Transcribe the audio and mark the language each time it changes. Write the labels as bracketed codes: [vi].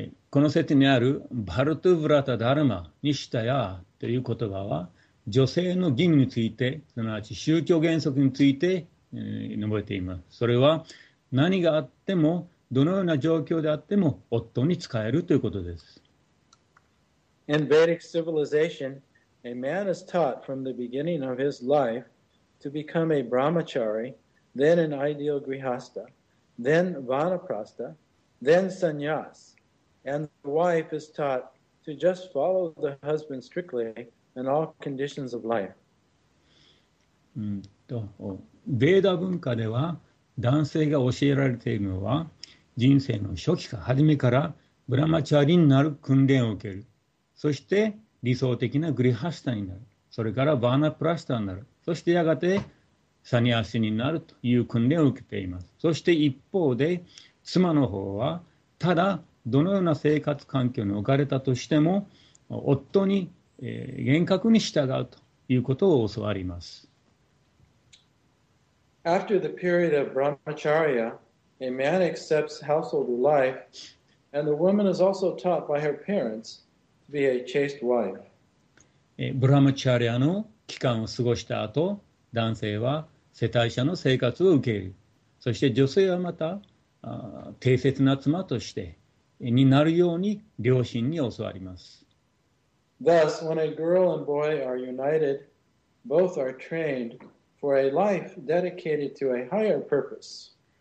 [ja] この説にあるバルトゥヴラタダルマニシタヤという言葉は女性の義務についてすなわち宗教原則について、述べています。それは何があってもどのような状況であっても夫に使えるということです。 [en] In Vedic civilization, a man is taught from the beginning of his life to become a brahmachari, then an ideal grihastha, then vanaprastha, then sannyas, and the wife is taught to just follow the husband strictly in all conditions of life. [ja] ベーダ文化では男性が教えられているのは人生の初期か初めからブラマチャリになる訓練を受ける、そして理想的なグリハスタになる、それからバーナプラスタになる、そしてやがてサニアスになるという訓練を受けています。そして一方で妻の方はただどのような生活環境に置かれたとしても夫に、厳格に従うということを教わります。 [en] After the period of Brahmacharya, a man accepts household life, and the woman is also taught by her parents to be a chaste wife. [ja] Brahmacharya の期間を過ごした後、男性は世帯者の生活を受ける。そして女性はまた、低切な妻としてになるように両親に教わります。 [en] Thus, when a girl and boy are united, both are trained for a life dedicated to a higher purpose.